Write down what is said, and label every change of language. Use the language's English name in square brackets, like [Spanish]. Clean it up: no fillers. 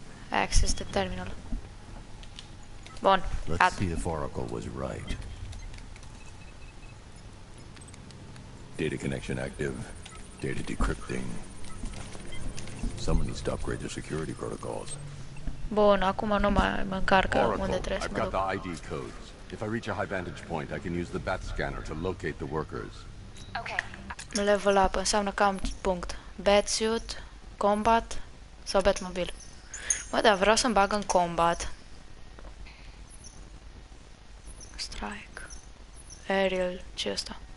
[English] Access the terminal. Bun. Let's see if Oracle was right. Data connection active. Data decrypting. Someone needs to upgrade their security protocols. [Romanian] Bun, acum nu mai mă încarcă unde trebuie să mă [English] duc. I've got the ID codes. If I reach a high vantage point, I can use the bat scanner to locate the workers. Okay. [Romanian] Level up înseamnă că am punct. Bat suit, combat sau Batmobile. Bă, da, vreau să-mi bag în combat. Strike. Aerial, ce-i ăsta?